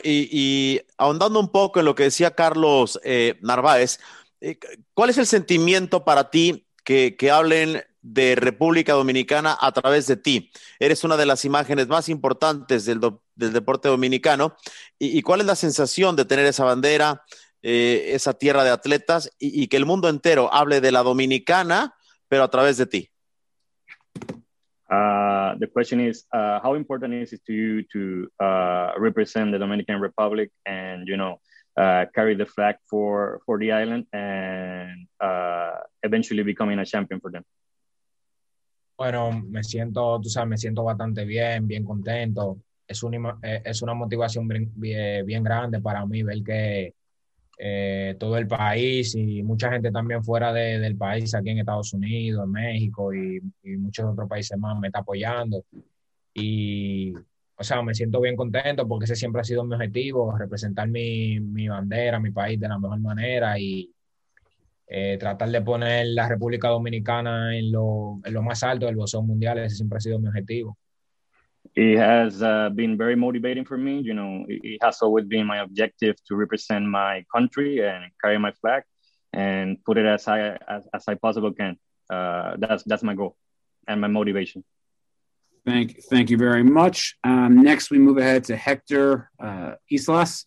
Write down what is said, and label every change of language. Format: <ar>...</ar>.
<es>Y ahondando un poco en lo que decía Carlos Narváez, ¿cuál es el sentimiento para ti que hablen de República Dominicana a través de ti? Eres una de las imágenes más importantes del deporte dominicano. ¿Y cuál es la sensación de tener esa bandera, esa tierra de atletas, y que el mundo entero hable de la Dominicana, pero a través de ti?</es> <en>The question is, how important is it to you to represent the Dominican Republic and, you know, carry the flag for the island and eventually becoming a champion for them?</en> <es>Bueno, me siento, tú sabes, me siento bastante bien, bien contento. Es una motivación bien grande para mí ver que todo el país y mucha gente también fuera del país, aquí en Estados Unidos, en México y muchos otros países más, me está apoyando. Y, o sea, me siento bien contento porque ese siempre ha sido mi objetivo, representar mi bandera, mi país de la mejor manera y tratar de poner la República Dominicana en lo más alto del boxeo mundial. Ese siempre ha sido mi objetivo.</es> <en>It has been very motivating for me. You know, it has always been my objective to represent my country and carry my flag and put it as I possible can. That's my goal and my motivation. Thank you very much. Next, we move ahead to Hector Islas.</en>